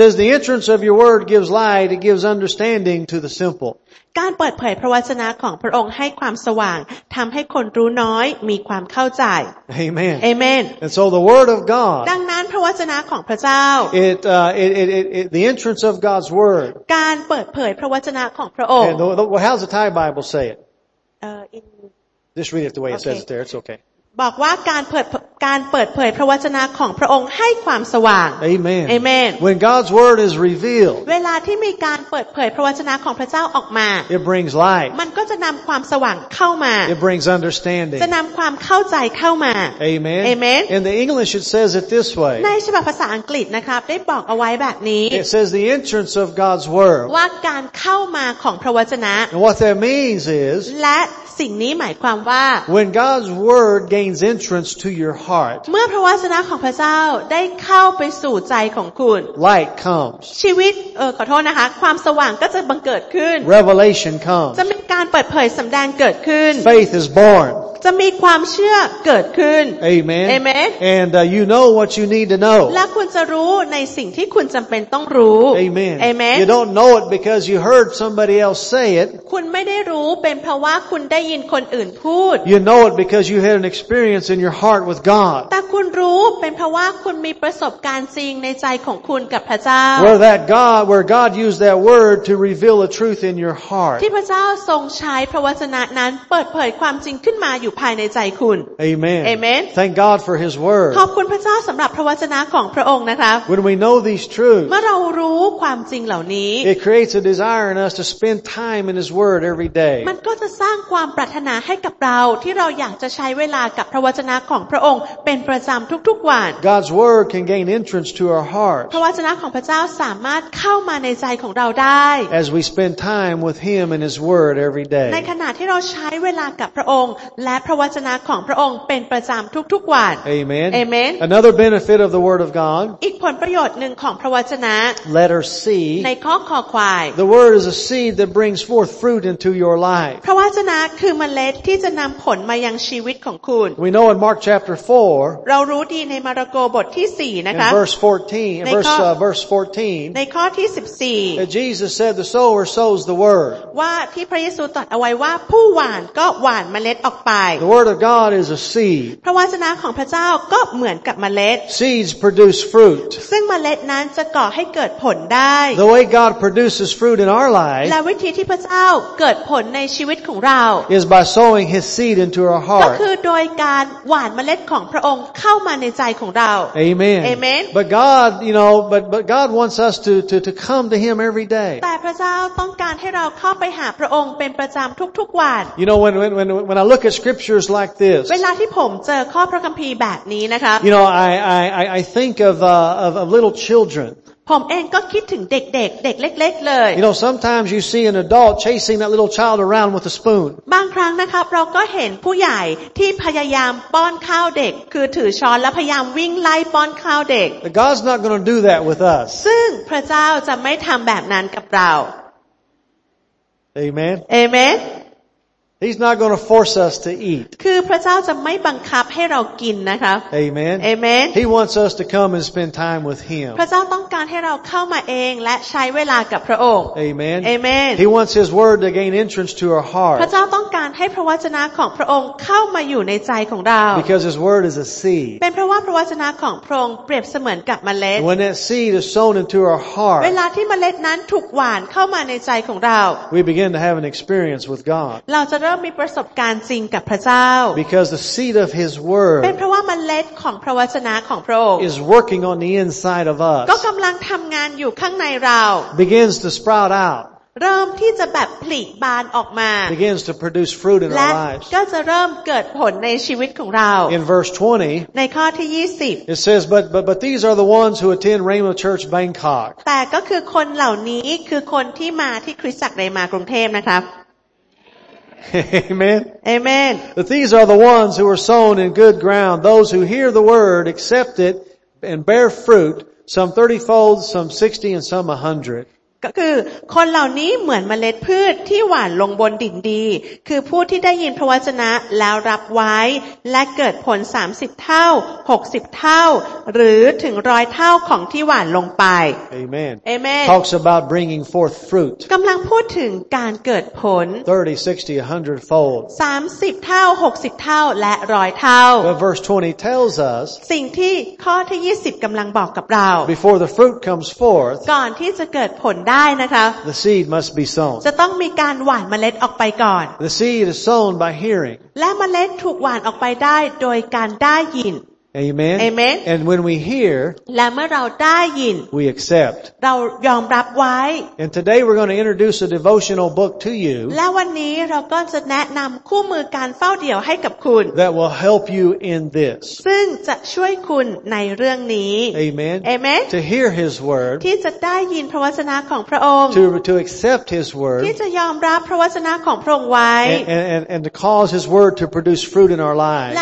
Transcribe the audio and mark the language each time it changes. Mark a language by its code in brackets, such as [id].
[en] says the entrance of your word gives light it gives understanding to the simple [th] การเปิดเผยพระวจนะของพระองค์ให้ความสว่างทำให้คนรู้น้อยมีความเข้าใจ [en] Amen Amen And so the word of God [th] ดังนั้นพระวจนะของพระเจ้า [en] it the entrance of God's word [th] การเปิดเผยพระวจนะของพระองค์ [en] And how's the Thai Bible say itJust read it the way it says it there. It's okay. [th] บอกว่าการเปิดเผยพระวจนะของพระองค์ให้ความสว่าง [en] Amen. Amen. When God's word is revealed, [th] เวลาที่มีการเปิดเผยพระวจนะของพระเจ้าออกมา [en] it brings light. [th] มันก็จะนำความสว่างเข้ามา [en] it brings understanding. [th] จะนำความเข้าใจเข้ามา [en] Amen. Amen. In the English, it says it this way. [th] ในฉบับภาษาอังกฤษนะครับได้บอกเอาไว้แบบนี้ [en] It says the entrance of God's word. [th] ว่าการเข้ามาของพระวจนะ [en] And what that means is. [th] และสิ่งนี้หมายความว่า [en] When God's word gains entrance to your heart [th] เมื่อพระวจนะของพระเจ้าได้เข้าไปสู่ใจของคุณ [en] light comes [th] ชีวิตขอโทษนะคะความสว่างก็จะบังเกิดขึ้น [en] revelation comes [th] จะมีการเปิดเผยสำแดงเกิดขึ้น [en] faith is born [th] จะมีความเชื่อเกิดขึ้น [en] amen amen and you know what you need to know [th] และคุณจะรู้ในสิ่งที่คุณจำเป็นต้องรู้ [en] amen amen you don't know it because you heard somebody else say it [th] คุณไม่ได้รู้เป็นเพราะว่าคุณได้ยินคนอื่นพูด [en] you know it because you had an experience in your heart with God [th] แต่คุณรู้เป็นเพราะว่าคุณมีประสบการณ์จริงในใจของคุณกับพระเจ้า [en] where that God where God used that word to reveal a truth in your heart [th] ที่พระเจ้าทรงใช้พระวจนะนั้นเปิดเผยความจริงขึ้นมาอยู่ภายในใจคุณ [en] amen amen thank God for His word [th] ขอบคุณพระเจ้าสำหรับพระวจนะของพระองค์นะครับ [en] when we know these truths [th] เมื่อเรารู้ความจริงเหล่านี้ [en] it creates a desire in us to spend time in His word every day [th] มันก็จะสร้างความปรารถนาให้กับเราที่เราอยากจะใช้เวลากับพระวจนะของพระองค์เป็นประจำทุกๆวัน [en] God's word can gain entrance to our heart [th] พระวจนะของพระเจ้าสามารถเข้ามาในใจของเราได้ [en] as we spend time with Him and His word every day [th] ในขณะที่เราใช้เวลากับพระองค์และพระวจนะของพระองค์เป็นประจำทุกๆวัน [en] Amen Amen Another benefit of the Word of God [th] อีกผลประโยชน์หนึ่งของพระวจนะ [en] Letter C [th] ในข้อคอควาย [en] The Word is a seed that brings forth fruit into your life [th] พระวจนะคือเมล็ดที่จะนำผลมายังชีวิตของคุณ [en] We know in Mark chapter 4 [th] เรารู้ดีในมาระโกบทที่4นะคะ [en] Verse 14 verse 14 [th] ในข้อที่14 [en] Jesus said the sower sows the word [th] ว่าที่พระเยซูตรัสเอาไว้ว่าผู้หว่านก็หว่านเมล็ดออกไป [en] The word of God is a seed [th] พระวจนะของพระเจ้าก็เหมือนกับเมล็ด [en] Seeds produce fruit [th] ซึ่งเมล็ดนั้นจะก่อให้เกิดผลได้ [en] The way God produces fruit in our lives [th] และวิธีที่พระเจ้าเกิดผลในชีวิตของเรา [en] is by sowing his seed into our heart [th] ก็คือโดยการหว่านเมล็ดของพระองค์เข้ามาในใจของเรา [en] Amen Amen But God you know but God wants us to come to him every day [th] แต่พระเจ้าต้องการให้เราเข้าไปหาพระองค์เป็นประจำทุกๆวัน [en] You know when I look at scriptures like this [th] เวลาที่ผมเจอข้อพระคัมภีร์แบบนี้นะคะ [en] You know I think of little children [th] ผมเองก็คิดถึงเด็กๆเด็กเล็กๆเลย [en] You know sometimes you see an adult chasing that little child around with a spoon [th] บางครั้งนะครับเราก็เห็นผู้ใหญ่ที่พยายามป้อนข้าวเด็กคือถือช้อนแล้วพยายามวิ่งไล่ป้อนข้าวเด็ก [en] But God's not going to do that with us [th] ซึ่งพระเจ้าจะไม่ทำแบบนั้นกับเรา [en] Amen Amen He's not going to force us to eat [th] คือพระเจ้าจะไม่บังคับให้เรากินนะคะ [en] Amen Amen He wants us to come and spend time with him [th] พระเจ้าต้องการให้เราเข้ามาเองและใช้เวลากับพระองค์ [en] Amen Amen He wants his word to gain entrance to our heart [th] พระเจ้าต้องการให้พระวจนะของพระองค์เข้ามาอยู่ในใจของเรา [en] Because his word is a seed [th] เป็นเพราะว่าพระวจนะของพระองค์เปรียบเสมือนกับเมล็ด [en] When that seed is sown into our heart [th] เวลาที่เมล็ดนั้นถูกหว่านเข้ามาในใจของเรา [en] We begin to have an experience with God [th] เราจะเรามีประสบการณ์จริงกับพระเจ้า [en] Because the seed of his word [th] เป็นเพราะว่าเมล็ดของพระวจนะของพระองค์ [en] is working on the inside of us [th] ก็กำลังทำงานอยู่ข้างในเรา [en] begins to sprout out [th] เริ่มที่จะแบบผลิบานออกมา [en] begins to produce fruit in our lives [th] และก็จะเริ่มเกิดผลในชีวิตของเรา [en] In verse 20 [th] ในข้อที่20 [en] it says but these are the ones who attend Rhema Church Bangkok [th] แต่ก็คือคนเหล่านี้คือคนที่มาที่คริสตจักรเรมากรุงเทพนะครับ [en] Amen. Amen. But these are the ones who are sown in good ground, those who hear the word, accept it, and bear fruit, some 30-fold, some 60, and some 100. [th] ก็คือคนเหล่านี้เหมือนเมล็ดพืชที่หว่านลงบนดินดีคือผู้ที่ได้ยินพระวจนะแล้วรับไว้และเกิดผล30เท่า60เท่าหรือถึง100เท่าของที่หว่านลงไป [en] Amen Amen talks about bringing forth fruit [th] กำลังพูดถึงการเกิดผล [en] 30 60 100 fold [th] 30เท่า60เท่าและ100เท่า [en] But verse 20 tells us [th] สิ่งที่ข้อที่20กำลังบอกกับเรา [en] Before the fruit comes forth [th] ก่อนที่จะเกิดผลได้นะคะ [en] The seed must be sown. [th] จะต้องมีการหว่านเมล็ดออกไปก่อน [en] The seed is sown by hearing. [th] และเมล็ดถูกหว่านออกไปได้โดยการได้ยิน [en] Amen. Amen. And when we hear, [th] และเมื่อเราได้ยิน [en] we accept. [th] เรายอมรับไว้ [en] And today we're going to introduce a devotional book to you. [th] และวันนี้เราก็จะแนะนำคู่มือการเฝ้าเดี่ยวให้กับคุณ [en] That will help you in this. [th] ซึ่งจะช่วยคุณในเรื่องนี้ [en] Amen. Amen. To hear His word. [th] ที่จะได้ยินพระวจนะของพระองค์ [en] To accept His word. [th] ที่จะยอมรับพระวจนะของพระองค์ไว้ [en] And to cause His word to produce fruit in our lives.